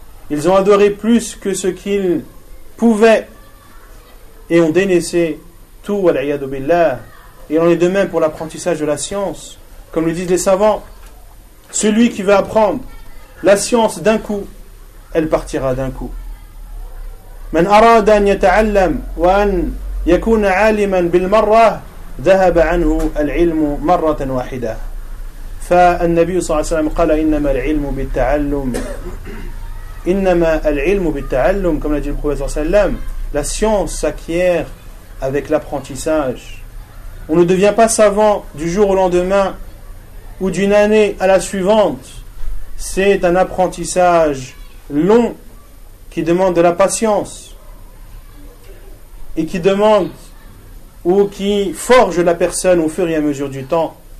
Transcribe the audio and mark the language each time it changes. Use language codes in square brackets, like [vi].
[fr] Ils ont adoré plus que ce qu'ils pouvaient et ont délaissé tout, wal'iyadu billah. Et on est de même pour l'apprentissage de la science. Comme le disent les savants, celui qui veut apprendre la science d'un coup, elle partira d'un coup. [ar] من أراد أن يتعلم وأن يكون عالما بالمرة ذهب عنه العلم مرة واحدة. فالنبي صلى الله عليه وسلم قال إنما العلم بالتعلم إنما العلم بالتعلم كما قال النبي صلى الله عليه وسلم [fr] La science s'acquiert avec l'apprentissage. On ne devient pas savant du jour au lendemain ou d'une année à la suivante. C'est un apprentissage long qui demande de la patience et qui demande ou qui forge la personne au fur et à mesure du temps.